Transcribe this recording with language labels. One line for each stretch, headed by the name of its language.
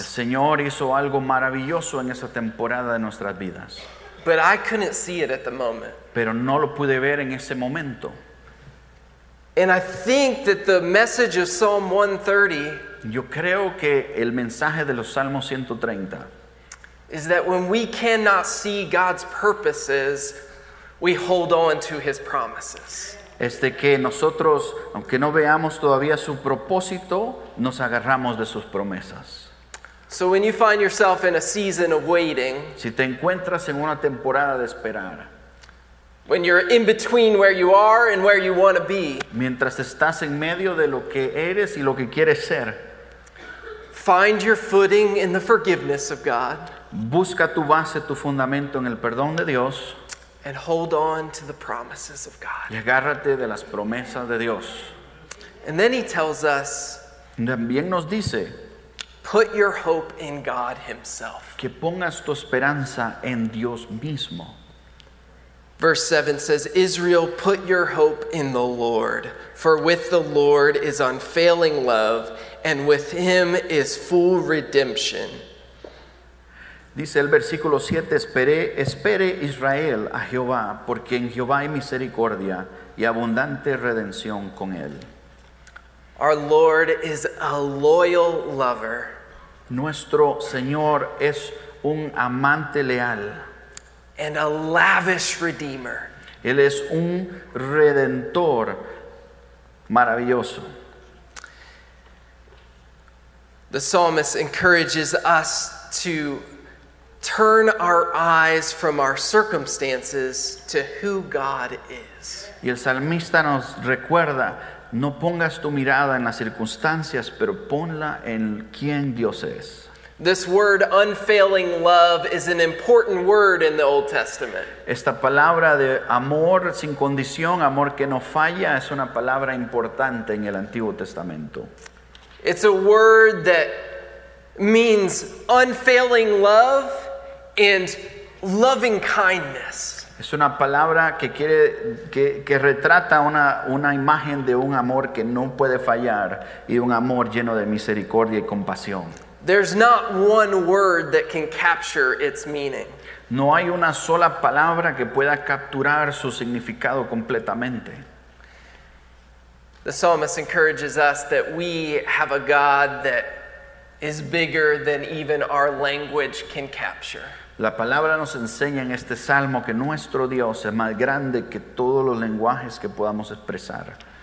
Spanish: El Señor hizo algo maravilloso en esa temporada de nuestras vidas.
English: But I couldn't see it at the moment.
Spanish: Pero no lo pude ver en ese momento.
English: And I think that the message of Psalm 130,
Spanish: yo creo que el mensaje de los Salmos 130,
English: is that when we cannot see God's purposes, we hold on to his promises.
Spanish: Es de que nosotros, aunque no veamos todavía su propósito, nos agarramos de sus promesas.
English: So when you find yourself in a season of waiting,
Spanish: si te encuentras en una temporada de esperar,
English: when you're in between where you are and where you want to be,
Spanish: mientras estás en medio de lo que eres y lo que quieres ser,
English: find your footing in the forgiveness of God.
Spanish: Busca tu base, tu fundamento en el perdón de Dios.
English: And hold on to the promises of God.
Spanish: Y agárrate de las promesas de Dios.
English: And then he tells us,
Spanish: también nos dice,
English: put your hope in God himself.
Spanish: Que pongas tu esperanza en Dios mismo.
English: Verse 7 says, Israel, put your hope in the Lord, for with the Lord is unfailing love, and with him is full redemption.
Spanish: Dice el versículo 7, espere Israel a Jehová, porque en Jehová hay misericordia y abundante redención con él.
English: Our Lord is a loyal lover.
Spanish: Nuestro Señor es un amante leal.
English: And a lavish redeemer.
Spanish: Él es un redentor maravilloso.
English: The psalmist encourages us to turn our eyes from our circumstances to who God is.
Spanish: Y el salmista nos recuerda, no pongas tu mirada en las circunstancias, pero ponla en quién Dios es.
English: This word unfailing love is an important word in the Old Testament.
Spanish: Esta palabra de amor sin condición, amor que no falla, es una palabra importante en el Antiguo Testamento.
English: It's a word that means unfailing love and loving kindness.
Spanish: Es una palabra que quiere que retrata una imagen de un amor que no puede fallar y un amor lleno de misericordia y compasión.
English: There's not one word that can capture its meaning.
Spanish: No hay una sola palabra que pueda capturar su significado completamente.
English: The psalmist encourages us that we have a God that is bigger than even our language can capture.
Spanish: La palabra nos enseña en este salmo que nuestro Dios es más grande que todos los lenguajes que podamos expresar.